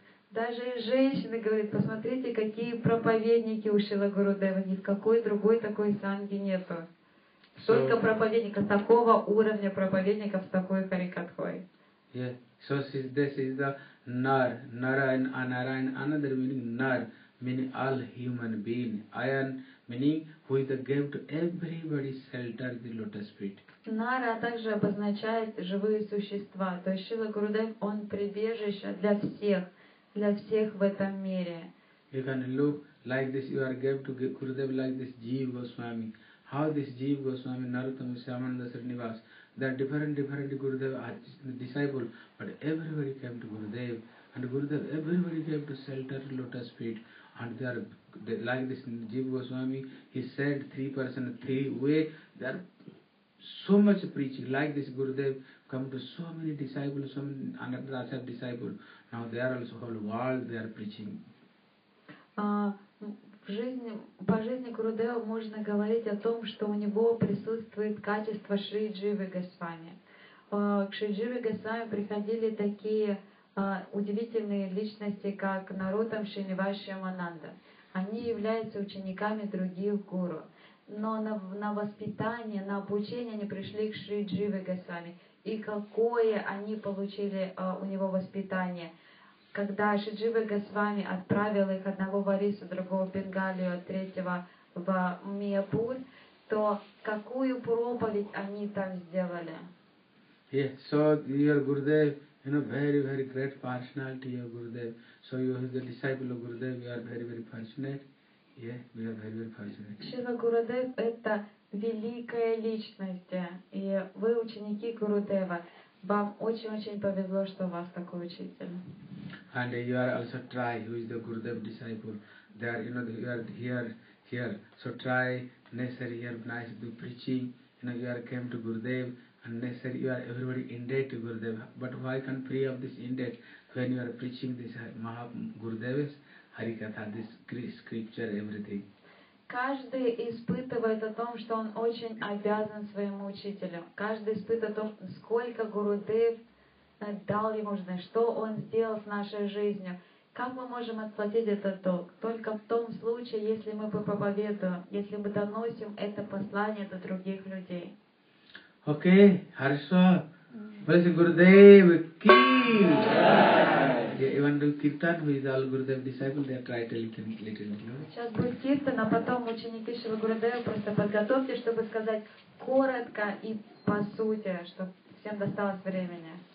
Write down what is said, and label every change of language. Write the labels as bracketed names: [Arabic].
[Russian] Даже женщины говорят, посмотрите, какие проповедники у Шрила Гурудева, ни в какой другой такой санге нету. Столько проповедников, такого уровня проповедников с такой харикатхой. [English] Yeah. So this is the Nar, Narayan, Anarayan, another meaning Nar, meaning all human being. Ayan, meaning who is the gift to everybody shelter the lotus feet. [Russian] Нара также обозначает живые существа. То есть Шрила Гурудев, он прибежище для всех в этом мире. [English] You can look like this, you are gave to Gurudev like this Jeev Goswami. How this Jeev Goswami, Narottam Shyamananda Srinivas, there are different Gurudev disciples, but everybody came to Gurudev. And Gurudev, everybody came to shelter lotus feet. And they are like this Jeev Goswami, he said three person, three way, they are so much preaching, like this Gurudev, come to so many disciples, so many another Asha disciples. Now they are also whole world, they are preaching. [Russian] В жизни, по жизни Гурудева можно говорить о том, что у него присутствует качество Шри Дживы Госвами. К Шри Дживы Госвами приходили такие удивительные личности, как Нароттам Шринивас Шьямананда. Они являются учениками других гуру. Но на воспитание, на обучение они пришли к Шри Дживы Госвами. И какое они получили у него воспитание? Когда Шри Дживы Госвами отправил их одного в Орису, другого в Бенгалию, третьего в Мияпур, то какую проповедь они там сделали? [English] Yeah, so your Gurudev, you know, very, very great personality, your Gurudev. So you are the disciple of Gurudev, you are very, very fortunate. Yeah, we are very, very fortunate. [Russian] Шрила Гурудев – это великая личность, и вы ученики Гурудева. Вам очень-очень повезло, что у вас такой учитель. [English] And you are also try, who is the Gurudev disciple. They are, you know, you are here. So try, necessary here, nice to preaching. You know, you are came to Gurudev, and necessary you are everybody indebted to Gurudev. But why can free of this indebt when you are preaching this Gurudev's Harikatha, this scripture, everything? [Russian] Каждый испытывает о том, что он очень обязан своему учителю. Каждый испытывает о том, сколько Гурудев дал ему, что он сделал с нашей жизнью. Как мы можем отплатить этот долг? Только в том случае, если мы проповедуем, если мы доносим это послание до других людей. Окей, хорошо. Блеси Гурудев, ки! [English] Even the Kirtan, who is all Gurudev disciple, they try to listen little bit. [Russian] Сейчас будет Киртан, а потом ученики Шрилы Гурудева просто подготовьте, чтобы сказать коротко и по сути, чтобы всем досталось времени.